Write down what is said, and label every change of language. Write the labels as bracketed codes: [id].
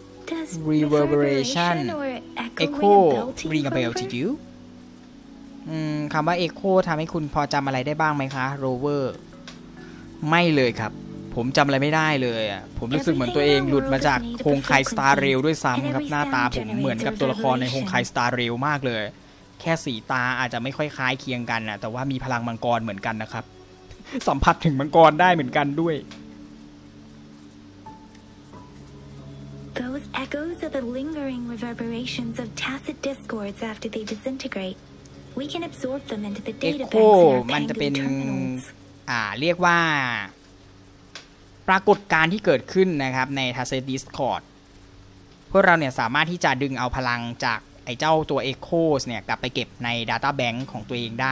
[en] Does reverberation echo ring a bell to you? [th] คำว่าเอ็กโคทำให้คุณพอจำอะไรได้บ้างไหมคะโรเวอร์ไม่เลยครับผมจำอะไรไม่ได้เลยอ่ะผมรู้สึกเหมือนตัวเองหลุดมาจากโฮงไคสตาร์เรลด้วยซ้ำครับหน้าตาผมเหมือนกับตัวละครในโฮงไคสตาร์เรลมากเลยแค่สีตาอาจจะไม่ค่อยคล้ายเคียงกันนะแต่ว่ามีพลังมังกรเหมือนกันนะครับสัมผัสถึงมังกรได้เหมือนกันด้วย [en] Those echoes are the lingering reverberations of tacit discords after they disintegrate. We can absorb them into the data banks. [th] มันจะเป็นเรียกว่าปรากฏการณ์ที่เกิดขึ้นนะครับในทัสเซดิสคอร์ดพวกเราเนี่ยสามารถที่จะดึงเอาพลังจากไอ้เจ้าตัว Echoes เนี่ยกลับไปเก็บใน Data Bank ของตัวเองได